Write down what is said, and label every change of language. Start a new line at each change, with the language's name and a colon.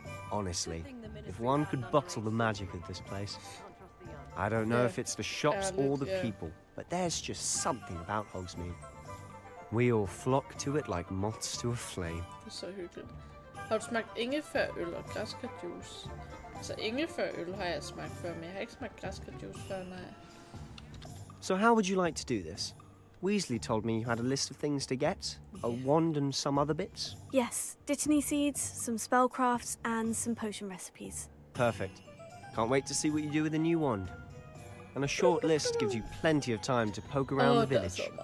English: Honestly, if one could bottle the magic of this place, I don't know if it's the shops or the people, but there's just something about Hogsmeade. We all flock to it like moths to a flame.
Danish: Det er så hyggeligt. Har du smagt ingefærøl og græskarjuice? Altså, ingefærøl har jeg smagt før, men jeg har ikke smagt græskarjuice før, nej.
English: So how would you like to do this? Weasley told me you had a list of things to get, a wand and some other bits. Yes, dittany seeds, some spellcrafts, and some potion recipes. Perfect. Can't wait to see what you do with the new wand. And a short list gives you plenty of time to poke around the village.